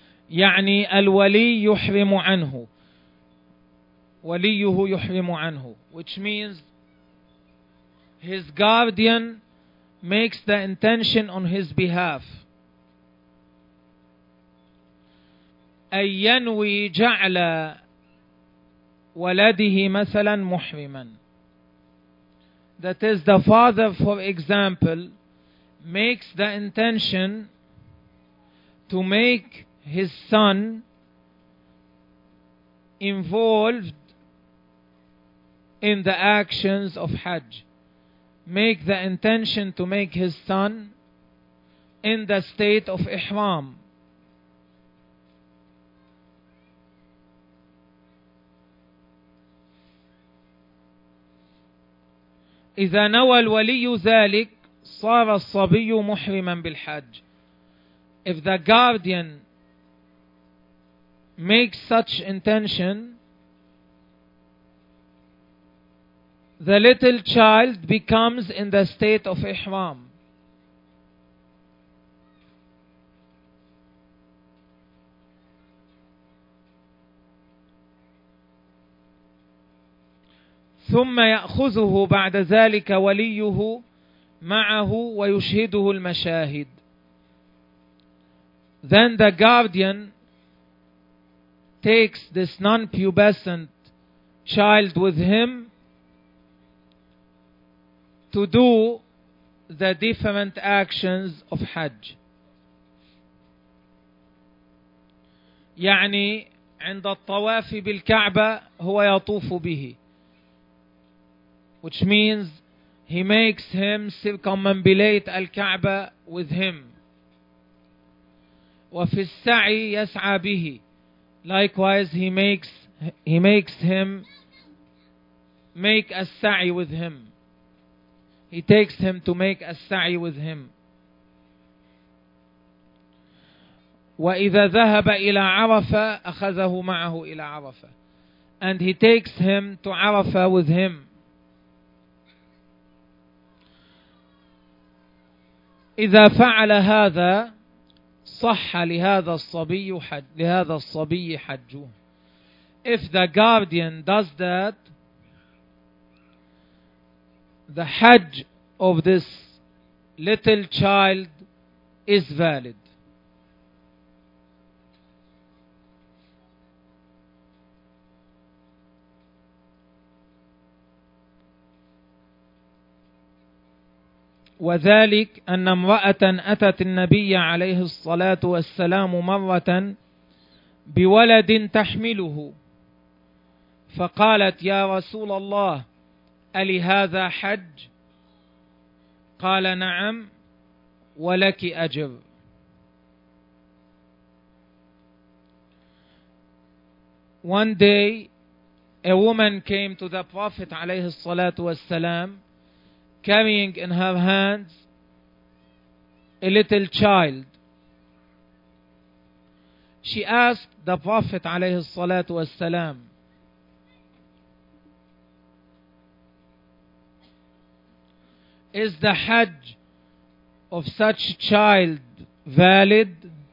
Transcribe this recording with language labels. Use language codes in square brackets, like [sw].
[ar] يعني الولي يحرم عنه. وليه يحرم عنه. [en] Which means his guardian makes the intention on his behalf. [ar] أن ينوي جعل ولده مثلا محرما. [en] That is, the father, for example, makes the intention to make his son involved in the actions of Hajj. Make the intention to make his son in the state of Ihram. [ar] إذا نوى الولي ذلك صار الصبي محرما بالحج. [en] If the guardian makes such intention, the little child becomes in the state of Ihram. [ar] ثم يأخذه بعد ذلك وليه معه ويشهده المشاهد. [en] Then the guardian takes this non-pubescent child with him to do the different actions of Hajj. [ar] يعني عند الطواف بالكعبة هو يطوف به. [en] Which means he makes him circumambulate al-Kaaba with him. [ar] وفي السعي يسعى به. [en] Likewise, he makes him make as-sa'i with him. He takes him to make as-sa'i with him. [ar] وإذا ذهب إلى عرفة أخذه معه إلى عرفة. [en] And he takes him to Arafah with him. [ar] إذا فعل هذا صح لهذا الصبي حج لهذا الصبي حجه. [en] If the guardian does that, the Hajj of this little child is valid. [ar] وذلك أن امرأة أتت النبي عليه الصلاة والسلام مرة بولد تحمله فقالت يا رسول الله ألي هذا حج؟ قال نعم ولك أجر. [en] One day a woman came to the Prophet [ar] عليه الصلاة والسلام [en] carrying in her hands a little child. She asked the Prophet [ar] عليه الصلاة والسلام, [en] is the Hajj of such child valid?